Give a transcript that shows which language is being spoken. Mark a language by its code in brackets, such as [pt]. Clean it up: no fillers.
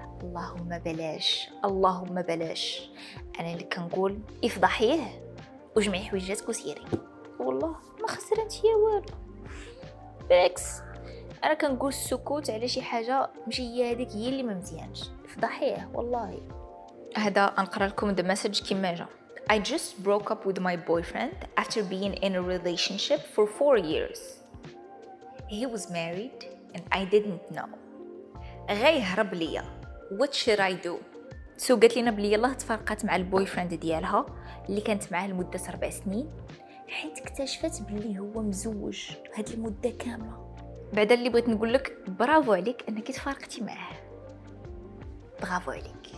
[ar] اللهم بلاش، اللهم بلاش. انا اللي كنقول افضحيه وجمعي حوايجاتك وسيري والله، ما خسرت هي والو. بالعكس انا كنقول السكوت على شي حاجه ماشي هي هذيك هي اللي ما مزيانش، افضحيه والله. هذا نقرا لكم ذا مسج كيما جا. [en] I just broke up with my boyfriend after being in a relationship for 4 years. He was married and I didn't know. [ar] غي هرب ليا. [en] What should I do? [ar] سو قالت لينا بلي يلاه تفرقات مع البويفريند ديالها اللي كانت معاه لمدة 4 سنين، حيت اكتشفت بلي هو مزوج هاد المدة كاملة. بعد اللي بغيت نقول لك برافو عليك انك تفارقتي معاه، برافو عليك.